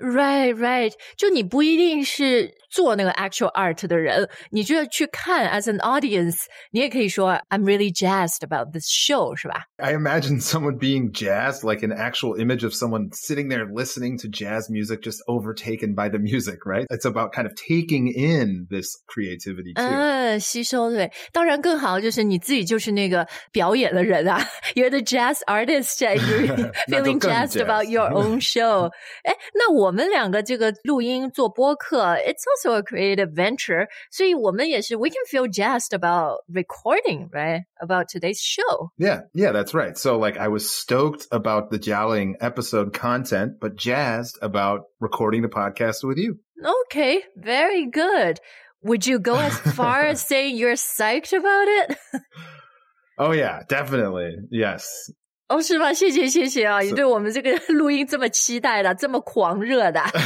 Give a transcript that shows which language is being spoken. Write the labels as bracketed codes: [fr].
[zh] Right, right. 就你不一定是做那个 actual art 的人，你就要去看 [en] as an audience, [zh] 你也可以说 [en] I'm really jazzed about this show, [zh] 是吧? [en] I imagine someone being jazzed, like an actual image of someone sitting there listening to jazz music, just overtaken by the music, right? It's about kind of taking in this creativity too. [zh] 吸收对。当然更好就是你自己就是那个表演的人啊。 [en] You're the jazz artist, feeling jazzed about your own show. [zh] 那我们两个这个录音做播客 [en] It's also a creative venture. [zh] 所以我们也是 [en] We can feel jazzed about recording, right? About today's show. Yeah, that's right. So like I was stoked about the Jialing episode content, but jazzed about recording the podcast with you. Okay, very good. Would you go as far as saying you're psyched about it? Oh yeah, definitely. Yes. [zh] 哦是吗谢谢谢谢啊你对我们这个录音这么期待的这么狂热的。